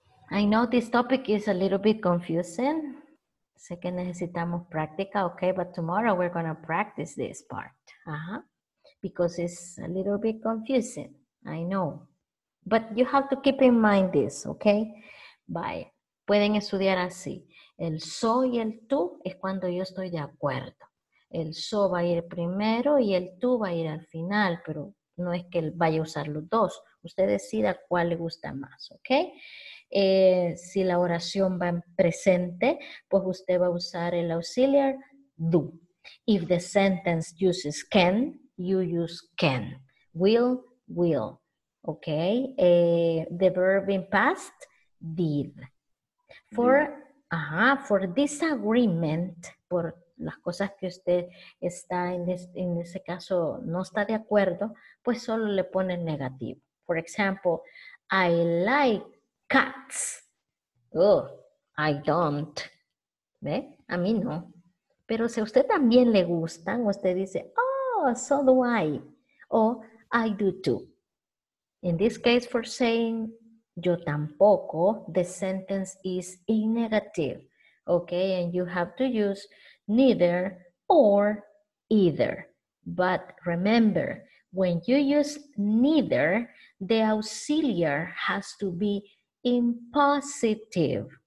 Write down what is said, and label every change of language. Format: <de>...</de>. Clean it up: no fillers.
<en>I know this topic is a little bit confusing,</en> <es>Sé que necesitamos práctica,</es> <en>ok, but tomorrow we're going to practice this part. Uh-huh. Because it's a little bit confusing, I know. But you have to keep in mind this, ok?</en> <es>Bye. Pueden estudiar así. El so y el tú es cuando yo estoy de acuerdo. El so va a ir primero y el tú va a ir al final, pero no es que él vaya a usar los dos. Usted decida cuál le gusta más, ¿ok? Si la oración va en presente, pues usted va a usar el auxiliar do.</es> <en>If the sentence uses can, you use can. Will, will. ¿Ok? The verb in past, did. For, for disagreement,</en> <es>por las cosas que usted está en ese caso no está de acuerdo, pues solo le pone negativo.</es> <en>For example, I like cats. Oh, I don't.</en> <es>¿Ve? A mí no. Pero si a usted también le gustan, usted dice,</es> <en>oh, so do I. O I do too. In this case, for saying</en> <es>yo tampoco,</es> <en>the sentence is in negative. Okay, and you have to use neither or either. But remember, when you use neither, the auxiliar has to be in positive.</en>